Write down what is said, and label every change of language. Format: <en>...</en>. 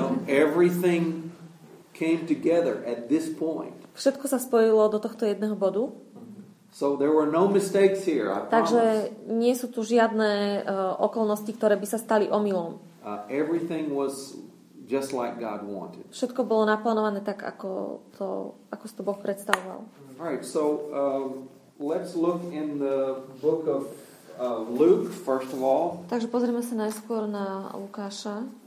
<en>Everything came together at this point.</en> <sk>Všetko sa spojilo do tohto jedného bodu.</sk> <en>So there were no mistakes here, I promise.</en> <sk>Takže nie sú tu žiadne okolnosti, ktoré by sa stali omylom.</sk> <en>Everything was just like God wanted.</en> <sk>Všetko bolo naplánované tak, ako si to Boh predstavoval.</sk> <en>All right, so let's look in the book of Luke, first of all.</en> <sk>Takže pozrieme sa najskôr na Lukáša.</sk>